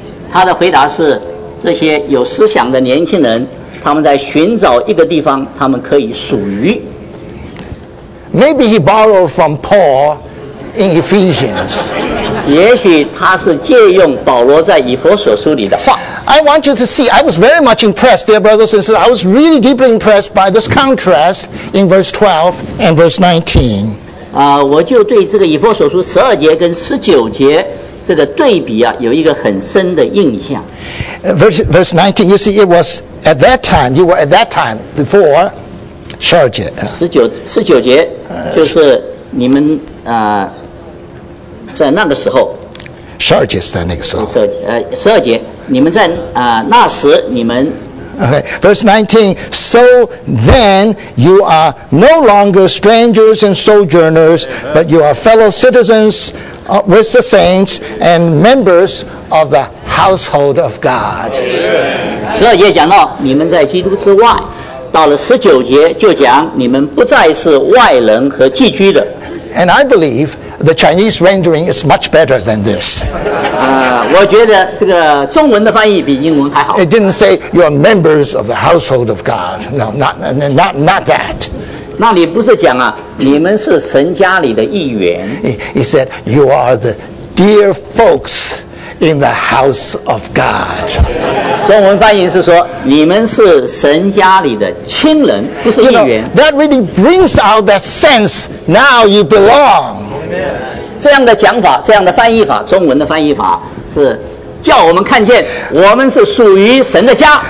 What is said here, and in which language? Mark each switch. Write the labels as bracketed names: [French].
[Chinese] 他的回答是，这些有思想的年轻人，他们在寻找一个地方，他们可以属于。 [English] Maybe he borrowed from Paul in Ephesians. [Chinese] 也许他是借用保罗在以弗所书里的话。 [English] I want you to see, I was very much impressed, dear brothers and sisters, I was really deeply impressed by this contrast in verse 12 and verse 19. [Chinese] 我就对这个以弗所书十二节跟十九节这个对比啊，有一个很深的印象。 [English] Verse 19, you see, it was at that time, you were at that time before [Chinese] 十二节。十九节就是你们在那个时候。十二节是在那个时候。十二节，你们在那时你们。 [English] Okay, verse 19, so then you are no longer strangers and sojourners, but you are fellow citizens with the saints and members of the household of God. [Chinese] 十二节讲到你们在基督之外，到了十九节就讲你们不再是外人和寄居的。 [English] And I believe the Chinese rendering is much better than this. [Chinese] 我觉得这个中文的翻译比英文还好。 [English] It didn't say you are members of the household of God. No, not that. [Chinese] 那里不是讲啊，你们是神家里的一员。 [English] He said you are the dear folks in the house of God. [Chinese] 中文翻译是说，你们是神家里的亲人，不是一员。 [English] You know, that really brings out that sense. Now you belong. [Chinese] 这样的讲法，这样的翻译法，中文的翻译法是叫我们看见我们是属于神的家。